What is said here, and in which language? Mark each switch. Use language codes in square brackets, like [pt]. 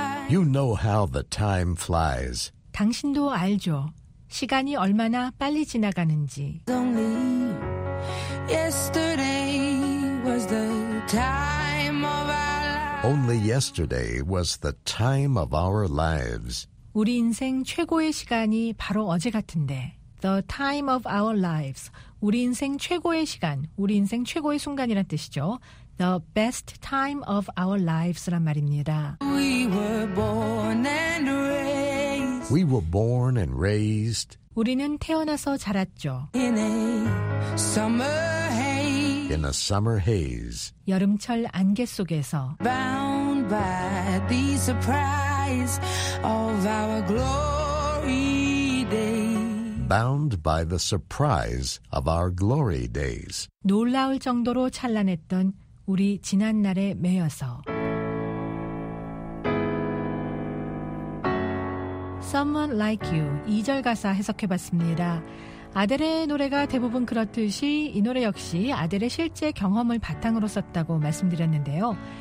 [en] You know how the time flies. [ko] 당신도 알죠. 시간이 얼마나 빨리 지나가는지. [en] Only yesterday was the time of our lives. Only yesterday was the time of our lives. [ko] 우리 인생 최고의 시간이 바로 어제 같은데. [en] The time of our lives. [ko] 우리 인생 최고의 시간, 우리 인생 최고의 순간이란 뜻이죠. [en] The best time of our lives란 [ko] 말입니다. [en] We were born and raised. We were born and raised. [ko] 우리는 태어나서 자랐죠. [en] In a summer haze. In a summer haze. [ko] 여름철 안개 속에서. [en] Bound by the surprise of our glory days. Bound by the surprise of our glory days. [ko] 놀라울 정도로 찬란했던 우리 지난 날에 매여서 Someone Like You 2절 가사 해석해봤습니다. 아델의 노래가 대부분 그렇듯이 이 노래 역시 아델의 실제 경험을 바탕으로 썼다고 말씀드렸는데요.